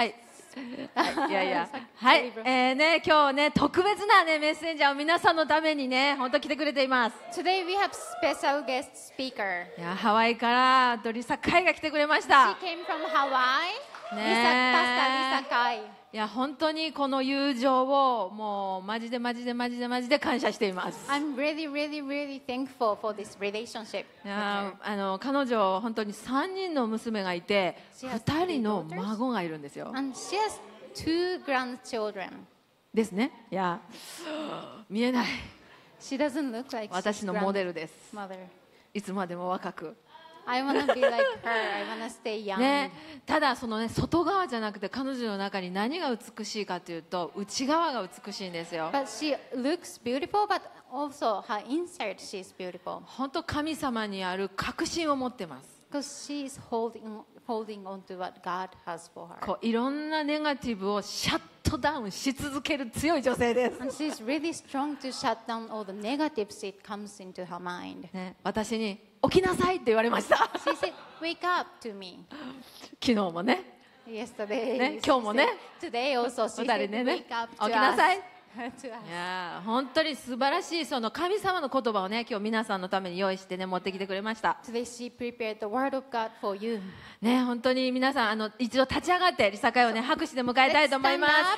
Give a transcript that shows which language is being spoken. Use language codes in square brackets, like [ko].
[ja] はいいやいや、はい、ね、今日ね、特別な、ね、メッセンジャーを皆さんのためにね、本当来てくれています。 [en] Today we have special guest speaker. [ja] いや、ハワイからドリサカイが来てくれました。 [en] She came from Hawaii. [ja] ね、リサカイ。いや、本当にこの友情をもうマジで感謝しています。 [en] I'm really really really thankful for this relationship. [ja] いや、あの、彼女本当に3人の娘がいて、2人の孫がいるんですよ。 [en] And she has two grandchildren. [ja] ですね。いや、見えない。 [en] She doesn't look like [ja] she's 私のモデルです。 [en] Mother. [ja] いつまでも若く。 [en] I wanna be like her. I wanna stay young. [ja] ね、ただそのね、外側じゃなくて彼女の中に何が美しいかというと、内側が美しいんですよ。 [en] But she looks beautiful, but also her inside she's beautiful. [ja] 本当神様にある確信を持ってます。 [en] Because she's holding on to what God has for her. [ja] こういろんなネガティブをシャットダウンし続ける強い女性です。 [en] And she's really strong to shut down all the negatives it comes into her mind. [ja] ね、私に。起きなさいって言われました。 [en] She said, "Wake up to me." [ja] 昨日もね。 [en] Yesterday. [ja] ね、今日もね。 [en] Today also. She said, "Wake up to us." [ja] 起きなさい。いや、本当に素晴らしいその神様の言葉をね、今日皆さんのために用意してね、持ってきてくれました。 [en] Today she prepared the word of God for you. [ja] ね、本当に皆さん、あの、一度立ち上がってリサカイをね、拍手で迎えたいと思います。